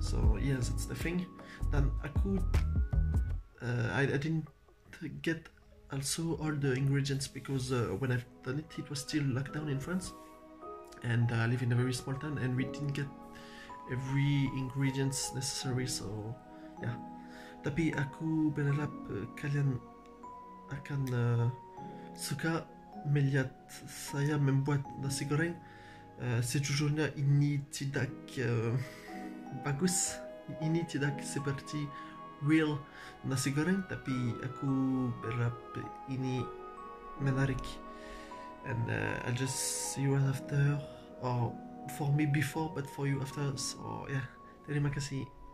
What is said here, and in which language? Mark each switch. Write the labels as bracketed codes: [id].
[en] So yes, it's the thing. Then I didn't get also all the ingredients because when I've done it, it was still locked down in France, and I live in a very small town, and we didn't get every ingredients necessary. So yeah. [id] Tapi aku berharap kalian akan suka melihat saya membuat nasi goreng. Sejujurnya ini tidak bagus, ini tidak seperti real nasi goreng, tapi aku berharap ini menarik. [en] And I'll just see you right after, or for me before, but for you after. So yeah, [id] terima kasih.